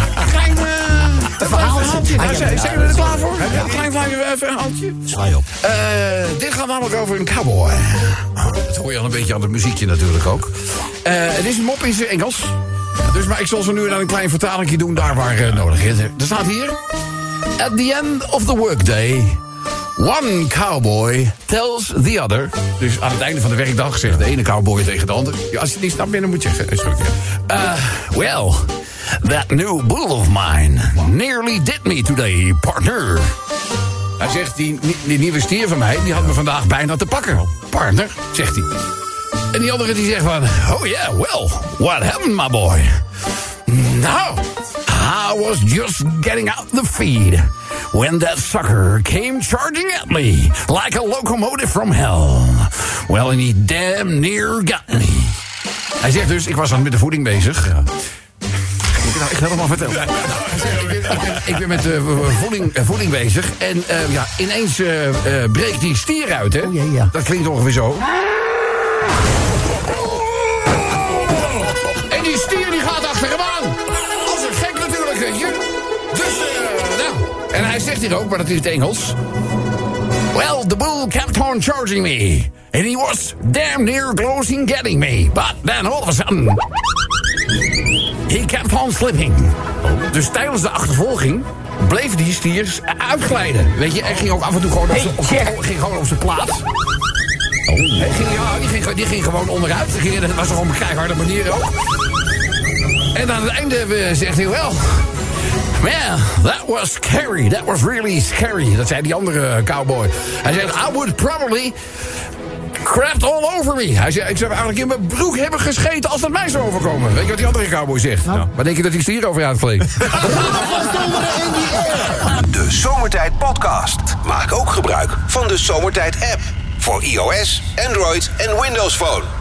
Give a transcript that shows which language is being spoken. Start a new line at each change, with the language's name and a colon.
Dutch: Klein verhaaltje. Zijn we er klaar voor? Klein verhaaltje. Zwaai op. Dit gaat namelijk over een cowboy. Dat hoor je al een beetje aan het muziekje natuurlijk ook. Het is een mop in zijn Engels. Dus maar ik zal zo nu dan een klein vertalingje doen daar waar nodig is. Er staat hier.
English: At the end of the workday, one cowboy tells the other.
Dutch: Dus aan het einde van de werkdag zegt de ene cowboy tegen de ander. Ja, als je het niet snapt, dan moet je zeggen.
English: Well, that new bull of mine nearly did me today, partner.
Dutch: Hij zegt, die nieuwe stier van mij, die had me vandaag bijna te pakken. Partner, zegt hij. En die andere die zegt van,
English: oh yeah, well, what happened, my boy? Nou, I was just getting out the feed when that sucker came charging at me like a locomotive from hell. Well, and he damn near got me.
Dutch: Hij zegt dus, ik was aan met de voeding bezig. Ja. Moet ik nou echt helemaal vertellen? Ja. Ik ben met de voeding bezig en ja, ineens breekt die stier uit, hè?
English: Oh, yeah, yeah.
Dutch: Dat klinkt ongeveer zo. En die stier die gaat achter hem aan. Als een gek natuurlijk, weet je. Dus, nou. En hij zegt hier ook, maar dat is het Engels.
English: Well, the bull kept on charging me. And he was damn near close in getting me. But then all of a sudden, he kept on slipping.
Dutch: Dus tijdens de achtervolging bleef die stier uitglijden. Weet je, hij ging ook af en toe gewoon op zijn plaats. Oh. Die ging gewoon onderuit. Dat was gewoon een keiharde manier ook. En aan het einde zegt hij wel.
English: Man, that was scary. That was really scary.
Dutch: Dat zei die andere cowboy. Hij zegt,
English: I would probably crapped all over me.
Dutch: Hij zegt, ik zou eigenlijk in mijn broek hebben gescheten als dat mij zou overkomen. Weet je wat die andere cowboy zegt? Nou. Waar denk je dat hij stier over uitvleekt? De Zomertijd podcast. Maak ook gebruik van de Zomertijd app. Voor iOS, Android en Windows Phone.